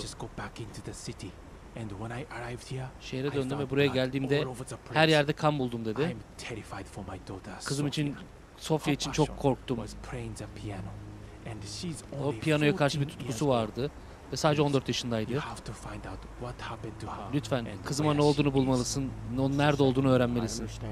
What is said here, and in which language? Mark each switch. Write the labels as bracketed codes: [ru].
[en] I just go back into the city. And when I arrived here, [tr] şehre döndüm ve buraya geldiğimde her yerde kan buldum dedi. [en] I'm terrified for my daughter, [tr] kızım Sophia. İçin, Sophia için çok korktum. [en] Piano. And she's [tr] o piyanoya karşı bir tutkusu vardı ve sadece 14 yaşındaydı. [en] You have to find out what happened to her. [tr] Lütfen kızıma ne olduğunu bulmalısın, onun nerede olduğunu öğrenmelisin.